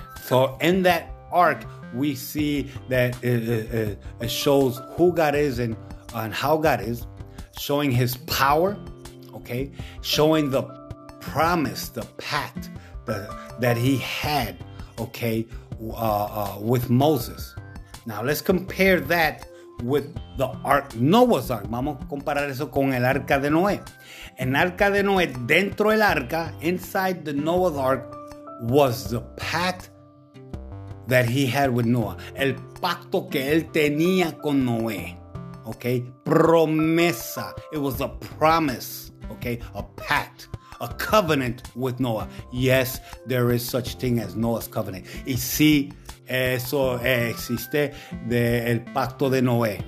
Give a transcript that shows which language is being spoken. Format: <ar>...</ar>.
<en>So in that ark, we see that it shows who God is and how God is, showing his power, okay? Showing the promise, the pact that he had, okay, with Moses. Now let's compare that with the ark, Noah's ark.</en> <es>Vamos a comparar eso con el arca de Noé. En arca de Noé, dentro del arca,</es> <en>inside the Noah's ark, was the pact that he had with Noah.</en> <es>El pacto que él tenía con Noé. Okay?</es> <en>Promesa. It was a promise. Okay? A pact. A covenant with Noah. Yes, there is such thing as Noah's covenant.</en> <es>Y sí, eso existe del pacto de Noé.</es>